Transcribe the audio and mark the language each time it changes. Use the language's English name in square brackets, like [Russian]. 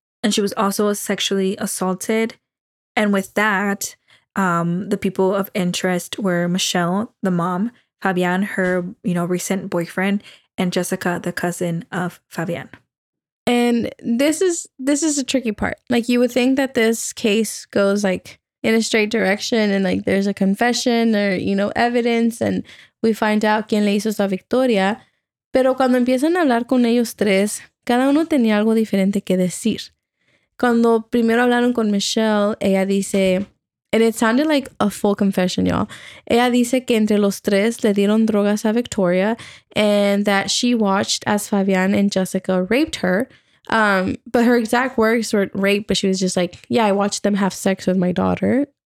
[English] And she was also sexually assaulted. And with that, the people of interest were Michelle, the mom, Fabian, her, you know, recent boyfriend, and Jessica, the cousin of Fabian. And this is a tricky part. Like, you would think that this case goes, like, in a straight direction and, like, there's a confession or, you know, evidence and we find out [Spanish] quién le hizo eso a Victoria. Pero cuando empiezan a hablar con ellos tres, cada uno tenía algo diferente que decir. Cuando primero hablaron con Michelle, ella dice... [English] And it sounded like a full confession, y'all. [Spanish] Ella dice que entre los tres le dieron drogas a Victoria [English] and that she watched as Fabian and Jessica raped her. But her exact words were rape, but she was just like, yeah, I watched them have sex with my daughter.